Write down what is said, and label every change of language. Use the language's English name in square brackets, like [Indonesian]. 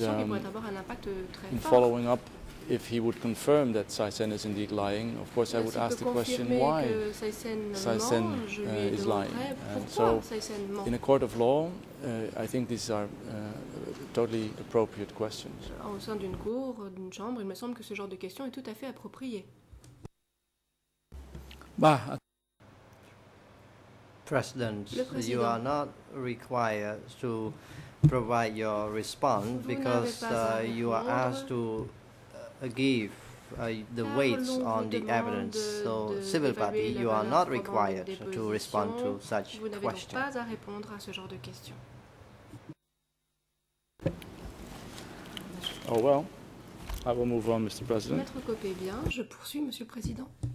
[English] in following up, if he would confirm that Saï Sen is indeed lying, of course I would ask the question why Saï Sen is lying. So in a court of law, I think these are totally appropriate questions. [French] Au sein d'une cour, d'une chambre, il me semble que ce genre de question est tout à fait approprié. [English] President, you are not required to provide your response because you are asked to give the weights on the evidence. So, civil party, you are not required to respond to such questions. [French] Vous n'avez pas à répondre à ce genre de questions. [English] Oh well, I will move on, Mr. President. [French] Maître Copé, bien, je poursuis, Monsieur le Président.